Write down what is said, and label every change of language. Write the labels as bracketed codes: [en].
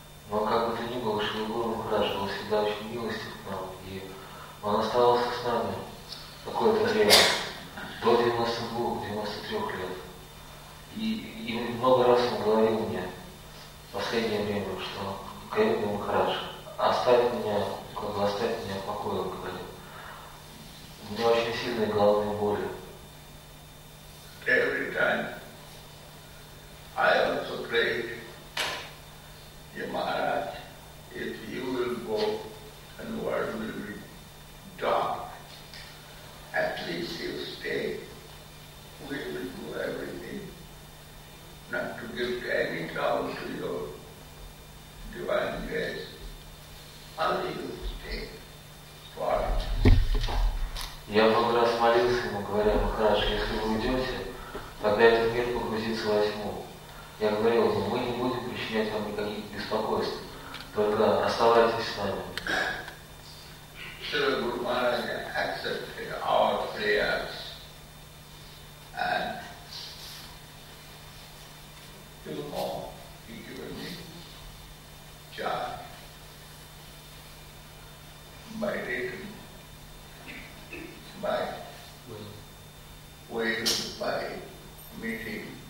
[ru] Но как бы то ни было, Шелугур Мухарадж был всегда очень милостив к нам, и он оставался с нами какое-то время, до 92-93 лет. И много раз он говорил мне в последнее время, что Каюбный Мухарадж оставит меня, как бы оставит меня в покое, он говорил. У меня очень сильные головные боли. [en] Every time. I also pray, Ya Maharaj, if you will go and the world will be dark, at least you stay. We will do everything not to give any trouble to your divine grace. Only you stay for it. [ru] Я много раз молился ему, говоря, Махарадж, если вы уйдете, тогда этот мир погрузится во тьму. Я говорил ему, мы не будем причинять вам никаких беспокойств, только оставайтесь с нами. [en] Шрила Гуру Махарадж accepted our prayers and still more, he given me charge by written, by will, by meeting.